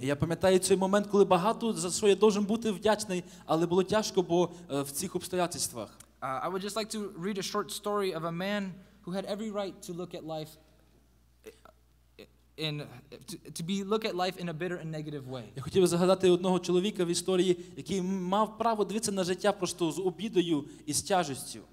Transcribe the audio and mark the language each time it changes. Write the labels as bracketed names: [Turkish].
[Ukrainian] Я пам'ятаю цей момент, коли багато за що я должен бути вдячний, але було тяжко, бо в цих обстоятельствах. [English] I would just like to read a short story of a man who had every right to look at life in to look at life in a bitter and negative way. [Ukrainian] Я хотів би згадати одного чоловіка в історії, який мав право дивитися на життя просто з обідою і з тяжістю.